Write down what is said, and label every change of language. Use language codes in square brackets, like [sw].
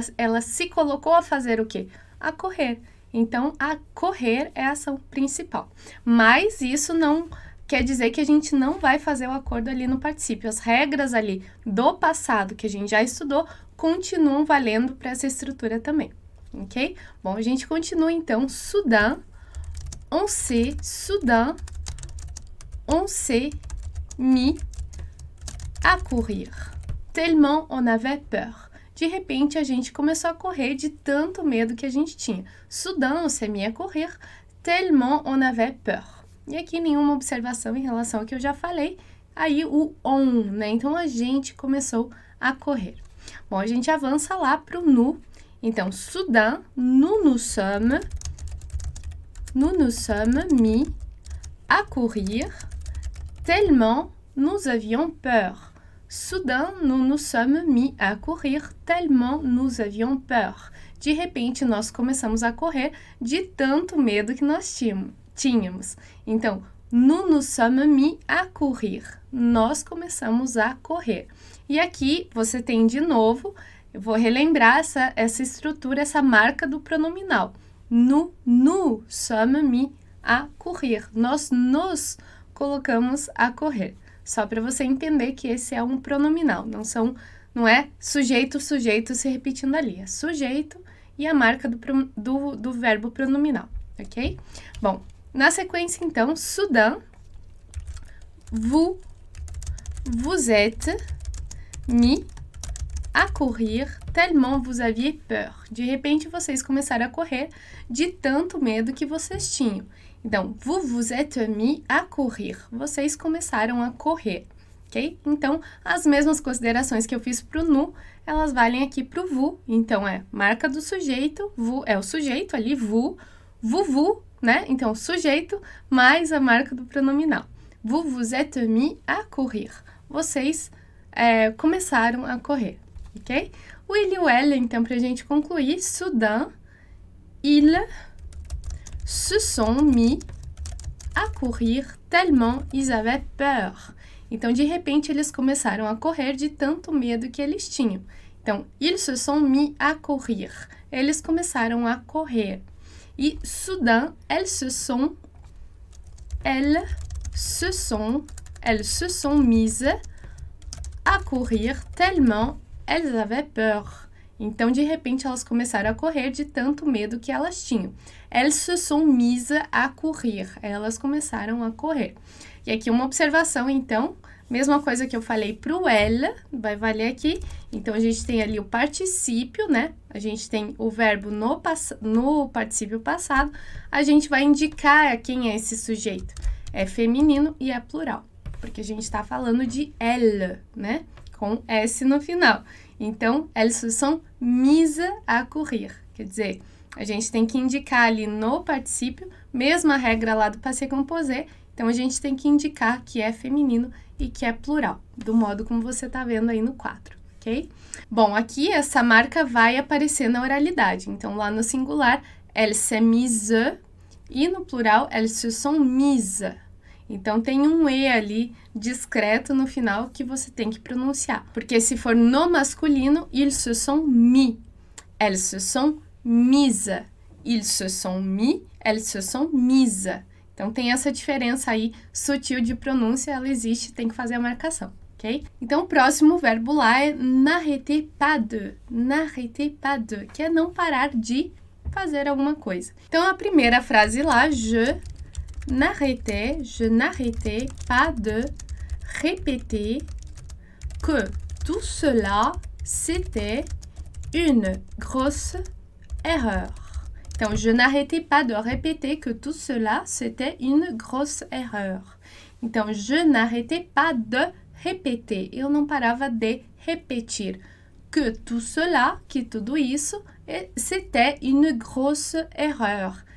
[pt] Ela se colocou a fazer o quê? A correr. Então, a correr é a ação principal. Mas isso não quer dizer que a gente não vai fazer o acordo ali no particípio. As regras ali do passado que a gente já estudou continuam valendo para essa estrutura também. Ok? Bom, a gente continua então. [fr] Soudain, on s'est, soudain, on s'est mis à courir. Tellement on avait peur. [pt] De repente, a gente começou a correr de tanto medo que a gente tinha. [fr] Soudain, on s'est mis à courir, tellement on avait peur. [pt] E aqui, nenhuma observação em relação ao que eu já falei. Aí, o on, né? Então, a gente começou a correr. Bom, a gente avança lá para o nous. [fr] Então, soudain, nous nous sommes mis à courir, tellement nous avions peur. Soudain, nous nous sommes mis à courir tellement nous avions peur. [pt] De repente, nós começamos a correr de tanto medo que nós tínhamos. [fr] Então, nous nous sommes mis à courir. [pt] Nós começamos a correr. E aqui, você tem de novo, eu vou relembrar essa estrutura, essa marca do pronominal. [fr] Nous sommes mis à courir. [pt] Nós nos colocamos a correr. Só para você entender que esse é um pronominal, não é sujeito se repetindo ali. É sujeito e a marca do verbo pronominal, ok? Bom, na sequência então, [fr] Soudain, vous êtes mis à courir tellement vous aviez peur. [pt] De repente vocês começaram a correr de tanto medo que vocês tinham. [fr] Então, vous êtes mis à courir. [pt] Vocês começaram a correr, ok? Então, as mesmas considerações que eu fiz para o nous, elas valem aqui para o vous. Então, é marca do sujeito, vous é o sujeito ali, vous, né? Então, sujeito mais a marca do pronominal. [fr] Vous êtes mis à courir. [pt] Vocês começaram a correr, ok? O il ou elle, então, para a gente concluir, [fr] Soudain, il se sont mis à courir tellement ils avaient peur. [pt] Então, de repente, eles começaram a correr de tanto medo que eles tinham. [fr] Então, ils se sont mis à courir. [pt] Eles começaram a correr. [fr] E, soudain, elles se sont mises à courir tellement elles avaient peur. [pt] Então, de repente, elas começaram a correr de tanto medo que elas tinham. [fr] Elles se sont mises à courir. [pt] Elas começaram a correr. E aqui uma observação, então, mesma coisa que eu falei para o elle, vai valer aqui. Então, a gente tem ali o particípio, né? A gente tem o verbo no particípio passado. A gente vai indicar quem é esse sujeito. É feminino e é plural. Porque a gente está falando de elle, né? Com S no final. [fr] Então, elles se sont mises à courir. [pt] Quer dizer, a gente tem que indicar ali no particípio, mesma regra lá do passé composé. Então, a gente tem que indicar que é feminino e que é plural, do modo como você está vendo aí no 4, ok? Bom, aqui essa marca vai aparecer na oralidade. Então, lá no singular, [fr] elles se sont mises, [pt] e no plural, elles se sont mises. Então, tem um E ali, discreto, no final, que você tem que pronunciar. Porque se for no masculino, [fr] ils se sont mis. Elles se sont mises. Ils se sont mis, elles se sont mises. [pt] Então, tem essa diferença aí, sutil de pronúncia, ela existe, tem que fazer a marcação, ok? Então, o próximo verbo lá é n'arrêtez pas de. N'arrêtez pas de, que é não parar de fazer alguma coisa. Então, a primeira frase lá, [fr] je n'arrêtais pas de répéter que tout cela, c'était une grosse erreur. Então, je n'arrêtais pas de répéter que tout cela, c'était une grosse erreur. Então, je n'arrêtais pas de [pt] repetir. Eu não parava de repetir. [fr] Que tout cela, [pt] que tudo isso, [fr] c'était une grosse erreur.